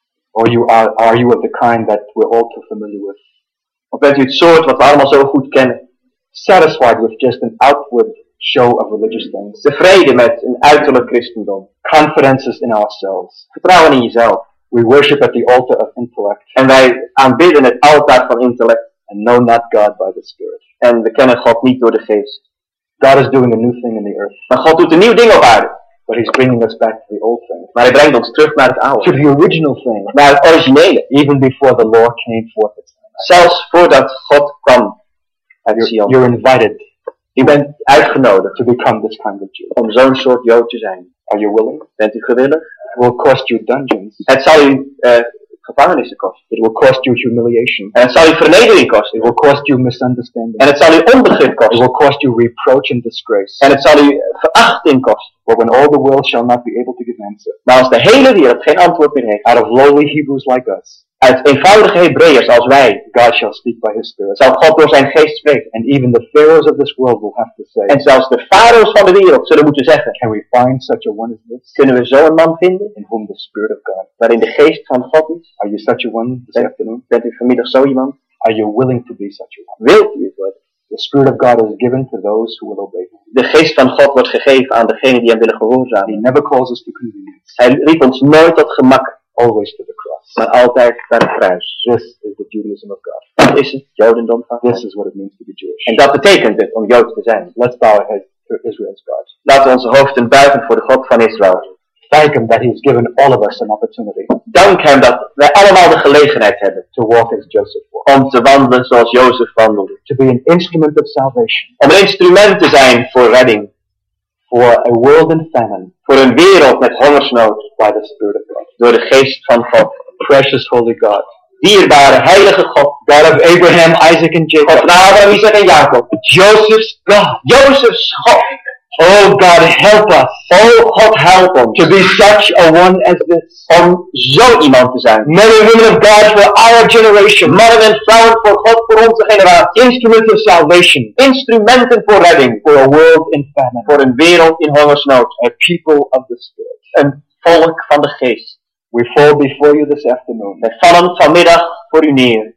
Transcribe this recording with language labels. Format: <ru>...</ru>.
<en>Or are you of the kind that we're all too familiar with?</en> <nl>Of bent u het soort wat we allemaal zo goed kennen?</nl> <en>Satisfied with just an outward show of religious things.</en> <nl>Tevreden met een uiterlijk christendom.</nl> <en>Confidences in ourselves.</en> <nl>Vertrouwen in jezelf.</nl> <en>We worship at the altar of intellect.</en> <nl>En wij aanbidden het altaar van intellect.</nl> <en>And know not God by the Spirit.</en> <nl>En we kennen God niet door de geest.</nl> <en>God is doing a new thing in the earth.</en> <nl>Maar God doet een nieuw ding op aarde.</nl> <en>But he's bringing us back to the old thing.</en> <nl>Maar hij brengt ons terug naar het oude.</nl> <en>To the original thing.</en> <nl>Naar het originele.</nl> <en>Even before the law came forth.</en> <nl>Zelfs voordat God kwam.</nl> <en>You're invited.</en> <nl>Je bent uitgenodigd.</nl> <en>To become this kind of Jew.</en> <nl>Om zo'n soort Jood te zijn.</nl> <en>Are you willing?</en> <nl>Bent u gewillig?</nl> <en>It will cost you dungeons.</en> <nl>Het zal u gevangenissen kosten.</nl> <en>It will cost you humiliation.</en> <nl>En het zal u vernedering kosten.</nl> <en>It will cost you misunderstanding.</en> <nl>En het zal u onbegrip kosten.</nl> <en>It will cost you reproach and disgrace.</en> <nl>En het zal u verachting kosten.</nl> <en>But when all the world shall not be able to give answer.</en> <nl>Maar als de hele wereld geen antwoord meer heeft.</nl> <en>Out of lowly Hebrews like us.</en> <nl>Uit eenvoudige Hebreeërs als wij.</nl> <en>God shall speak by his spirit.</en> <nl>Zal God door zijn geest spreken.</nl> <en>And even the pharaohs of this world will have to say.</en> <nl>En zelfs de farao's van de wereld zullen moeten zeggen.</nl> <en>Can we find such a one as this?</en> <nl>Kunnen we zo'n man vinden?</nl> <en>In whom the spirit of God.</en> <nl>Waarin de geest van God is.</nl> <en>Are you such a one this afternoon?</en> <nl>Bent u vanmiddag zo iemand?</nl> <en>Are you willing to be such a one?</en> <nl>Wilt u het worden?</nl> <en>The spirit of God is given to those who will obey him.</en> <nl>De geest van God wordt gegeven aan degenen die hem willen gehoorzamen.</nl> <en>He never calls us to convenience.</en> <nl>Hij riep ons nooit tot gemak.</nl> <en>Always to the cross.</en> <nl>Maar altijd naar het kruis.</nl> <en>This is the Judaism of God.</en> <nl>Dat is het Jodendom van God.</nl> <en>This is what it means to be Jewish.</en> <nl>En dat betekent het om Jood te zijn.</nl> <en>Let's bow our heads to Israel's God.</en> <nl>Laten onze hoofden buigen voor de God van Israël.</nl> <en>Thank him that he has given all of us an opportunity.</en> <nl>Dank hem dat wij allemaal de gelegenheid hebben.</nl> <en>To walk as Joseph walked.</en> <nl>Om te wandelen zoals Jozef wandelde.</nl> <en>To be an instrument of salvation.</en> <nl>Om een instrument te zijn voor redding.</nl> <en>For a world in famine.</en> <nl>Voor een wereld met hongersnood.</nl> <en>By the Spirit of God.</en> <nl>Door de geest van God.</nl> <en>Precious Holy God.</en> <nl>Dierbare Heilige God.</nl> <en>God of Abraham, Isaac and Jacob.</en> <nl>God van Abraham, Isaac en Jacob.</nl> <en>Joseph's God. Joseph's God. Oh God, help us. Oh God, help us. To be such a one as this.</en> <nl>Om zo iemand te zijn.</nl> <en>Men and women of God for our generation.</en> <nl>Mannen en vrouwen voor God voor onze generatie.</nl> <en>Instruments of salvation.</en> <nl>Instrumenten voor redding.</nl> <en>For a world in famine.</en> <nl>Voor een wereld in hongersnood.</nl> <en>A people of the Spirit.</en> <nl>Een volk van de geest.</nl> <en>We fall before you this afternoon.</en> <nl>Wij vallen vanmiddag voor u neer.</nl>